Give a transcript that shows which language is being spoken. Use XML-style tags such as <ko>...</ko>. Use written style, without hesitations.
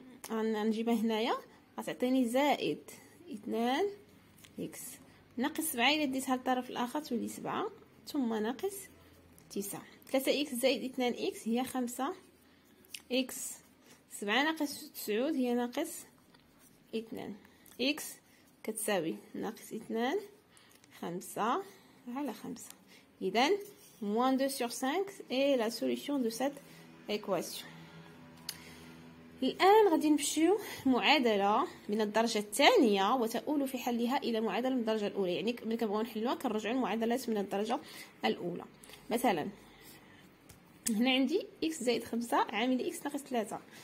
<ar>غنجيبها هنايا غتعطيني زائد 2x ناقص 7، الى ديتها للطرف الاخر تولي 7 ثم ناقص 9. 3x زائد 2x هي 5x، 7 ناقص 9 هي ناقص 2x كتساوي ناقص 2 5 على 5. اذا</ar> <fr>-2/5 est la solution de cette équation.</fr> <ar>الان غادي نمشيو معادله من الدرجه الثانيه وتؤول في حلها الى معادله من الدرجه الاولى. يعني ملي كنبغيو نحلوها كنرجعوا المعادلات من الدرجه الاولى. مثلا هنا عندي x زائد 5 عامل x ناقص 3.</ar>